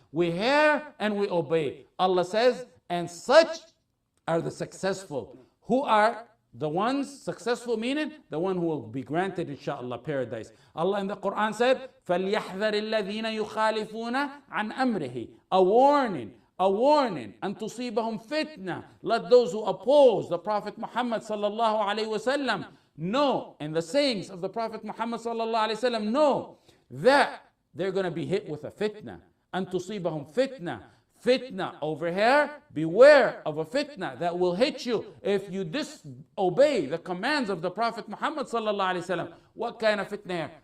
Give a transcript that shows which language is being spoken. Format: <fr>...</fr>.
<en>We hear and we obey. Allah says, and such are the successful. Who are the ones successful, meaning the one who will be granted, inshallah, paradise. Allah in the Quran said,</en> <ar>فَلْيَحْذَرِ الَّذِينَ يُخَالِفُونَ عَنْ أَمْرِهِ.</ar> <en>A warning,</en> <ar>أَنْ تُصِيبَهُمْ فِتْنَةً.</ar> <en>Let those who oppose the Prophet Muhammad sallallahu alayhi wasallam know, and the sayings of the Prophet Muhammad sallallahu alayhi wasallam know, that they're going to be hit with a fitna.</en> <ar>أَنْ تُصِيبَهُمْ فِتْنَةً.</ar> <en>Fitna over here, beware of a fitna that will hit you if you disobey the commands of the Prophet Muhammad sallallahu alaihi wasallam. What kind of fitna here?</en>